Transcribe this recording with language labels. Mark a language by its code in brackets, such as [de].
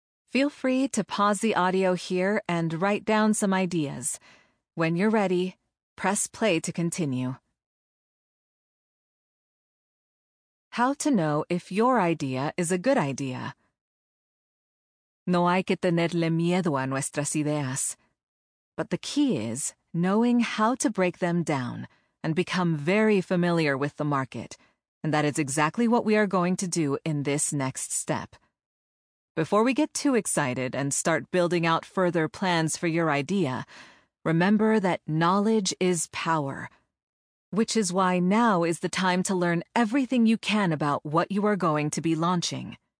[en] Feel free to pause the audio here and write down some ideas. When you're ready, press play to continue. How to know if your idea is a good idea. [es] No hay que tenerle miedo a nuestras ideas. [en] But the key is knowing how to break them down and become very familiar with the market, and that is exactly what we are going to do in this next step. Before we get too excited and start building out further plans for your idea, remember that knowledge is power, which is why now is the time to learn everything you can about what you are going to be launching.